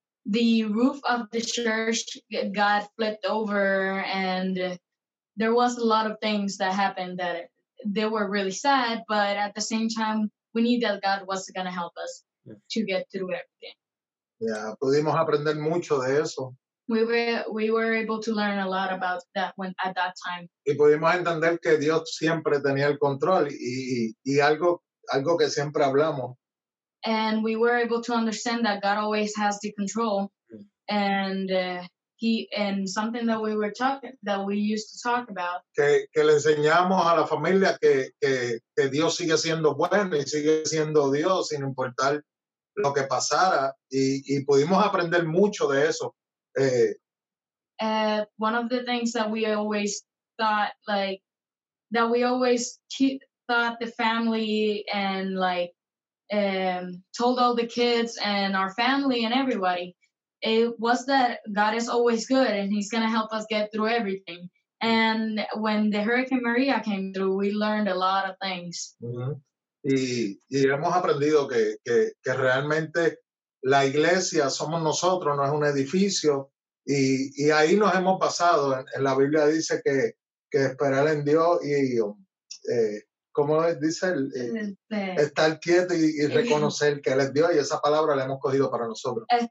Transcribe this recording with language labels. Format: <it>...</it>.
<en>The roof of the church got flipped over, and there was a lot of things that happened that they were really sad, but at the same time, we knew that God was going to help us to get through everything.</en> <es>Yeah, pudimos aprender mucho de eso.</es> <en>We were able to learn a lot about that at that time.</en> <es>Y pudimos entender que Dios siempre tenía el control y algo que siempre hablamos.</es> <en>And we were able to understand that God always has the control, and something that we were talking, that we used to talk about.</en> <es>Que le enseñamos a la familia que Dios sigue siendo bueno y sigue siendo Dios sin importar lo que pasara, y pudimos aprender mucho de eso.</es> <en>One of the things that we always thought, like, that we always thought the family and, like, told all the kids and our family and everybody, it was that God is always good and he's going to help us get through everything. And when the Hurricane Maria came through, we learned a lot of things. Mm-hmm.</en> <es>Y hemos aprendido que realmente la iglesia somos nosotros, no es un edificio. Y ahí nos hemos pasado. En la Biblia dice que esperar en Dios estar quieto y reconocer que él es Dios, y esa palabra la hemos cogido para nosotros.</es>